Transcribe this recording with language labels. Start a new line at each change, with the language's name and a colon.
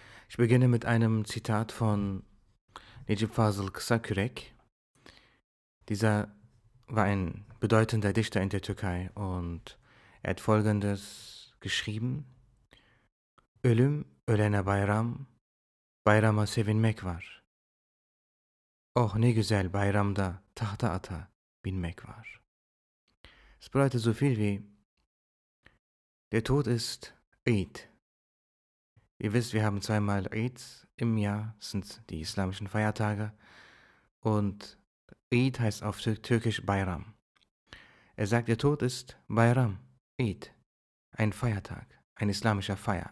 German: Ich beginne mit einem Zitat von Necip Fazıl Kısakürek. Dieser war ein bedeutender Dichter in der Türkei und er hat Folgendes geschrieben:
Turkish: Ölüm ölene bayram, bayrama sevinmek var. Oh, ne güzel bayramda tahta ata binmek var.
German: Es bedeutet so viel wie: Der Tod ist Eid. Ihr wisst, wir haben zweimal Eid im Jahr, das sind die islamischen Feiertage. Und Eid heißt auf Türkisch Bayram. Er sagt, der Tod ist Bayram, Eid, ein Feiertag, ein islamischer Feier.